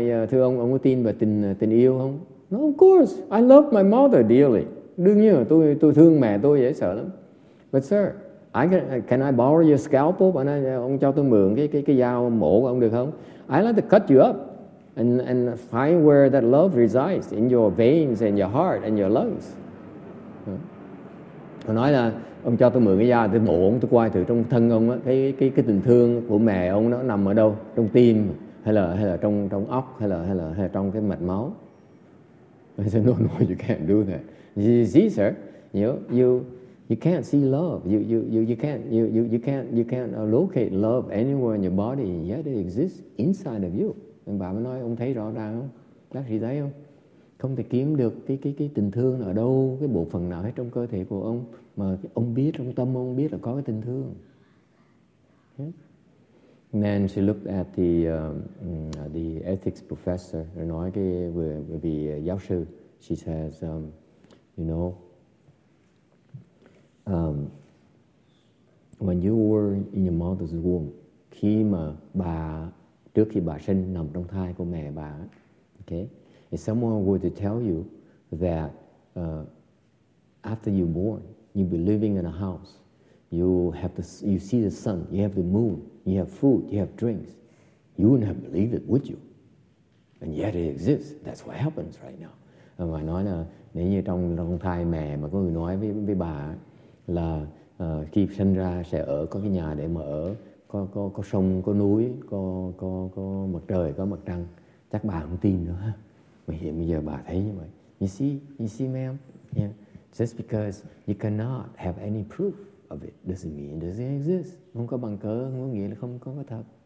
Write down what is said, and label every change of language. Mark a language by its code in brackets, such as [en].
[vi] Thưa ông có tin về tình yêu không? [en] No, of course, I love my mother dearly. [vi] Đương nhiên là tôi thương mẹ tôi dễ sợ lắm. [en] But sir, can I borrow your scalpel? [vi] Ông cho tôi mượn cái dao mổ của ông được không? [en] I'd like to cut you up and find where that love resides in your veins and your heart and your lungs. [vi] Ông nói là ông cho tôi mượn cái dao, tôi mổ ông, tôi quay thử trong thân ông á, cái tình thương của mẹ ông nó nằm ở đâu, trong tim hay là trong trong óc hay là trong cái mạch máu. [en] I said, no, you can't do that. You see, sir, you can't see love. You can't locate love anywhere in your body, yet it exists inside of you. [vi] Nên bà mới nói ông thấy rõ ràng không? Bác sĩ thấy không? Không thể kiếm được cái tình thương ở đâu, cái bộ phận nào hết trong cơ thể của ông mà ông biết, trong tâm ông biết là có cái tình thương. [en] Yeah. And then she looked at the ethics professor and [vi] nói cái vừa bị giáo sư. [en] She says, you know, when you were in your mother's womb, [vi] khi mà bà trước khi bà sinh nằm trong thai của mẹ bà, [en] okay, if someone were to tell you that after you born, you'll be living in a house, you see the sun, you have the moon, you have food, you have drinks, you wouldn't have believed it, would you? And yet it exists. That's what happens right now. [vi] Mà nói là nếu như trong thai mẹ mà có người nói với bà là khi sinh ra sẽ ở có cái nhà để mà ở, có sông, có núi, có mặt trời, có mặt trăng, chắc bà không tin nữa. Mà hiện bây giờ bà thấy như vậy. [en] You see, ma'am? Yeah. Just because you cannot have any proof of it doesn't mean it doesn't exist. [vi] Không có bằng cớ, không có nghĩa là không có cái thật.